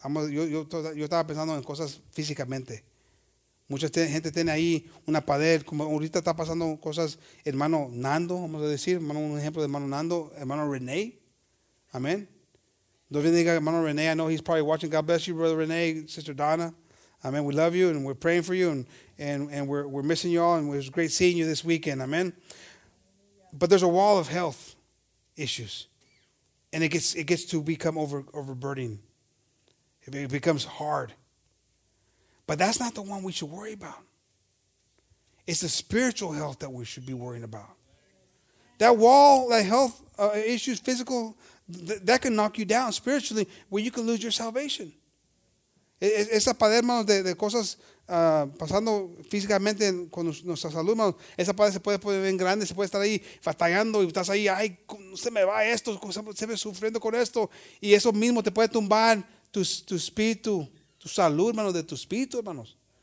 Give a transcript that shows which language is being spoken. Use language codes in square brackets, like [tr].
[es] Yo estaba pensando en cosas físicamente. Mucha gente tiene ahí una pared, como ahorita está pasando cosas, hermano Nando, vamos a decir, hermano, un ejemplo de hermano Nando, hermano René, amén. Dios bendiga, hermano René. [en] I know he's probably watching. God bless you, brother René, sister Donna. Amén. We love you and we're praying for you and we're missing you all, and it was great seeing you this weekend, amén. But there's a wall of health issues. And it gets to become overburdening. It becomes hard. But that's not the one we should worry about. It's the spiritual health that we should be worrying about. That wall, that health issues, physical, that can knock you down spiritually, where you can lose your salvation. [es] Esa pared, hermanos, de cosas pasando físicamente con nuestra salud, hermanos, esa pared se puede poner bien grande, se puede estar ahí batallando y estás ahí, ay, se me va esto, se me sufriendo con esto, y eso mismo te puede tumbar tu espíritu, tu salud, hermanos, de tu espíritu, hermanos.